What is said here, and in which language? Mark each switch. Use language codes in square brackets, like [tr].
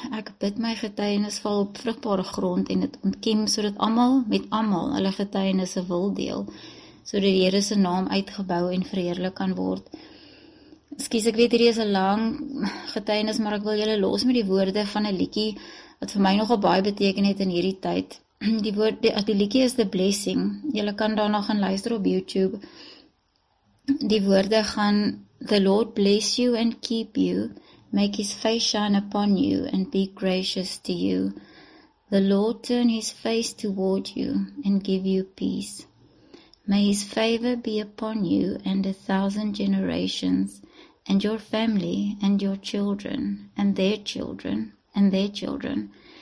[af] Ek bid my getuienis val op vrugbare grond en het ontkiem so dat almal met almal hulle getuienisse wil deel, so dat die Here se naam uitgebou en verheerlik kan word. Skies, ek weet hierdie is 'n lang getuienis, maar ek wil julle los met die woorde van 'n liedjie wat vir my nogal baie beteken het in hierdie tyd. Die liedjie is The Blessing. Julle kan daarna gaan luister op YouTube. Die woorde gaan: [en] The Lord bless you and keep you, make his face shine upon you and be gracious to you. The Lord turn his face toward you and give you peace. May his favor be upon you and 1,000 generations and your family and your children and their children and their children.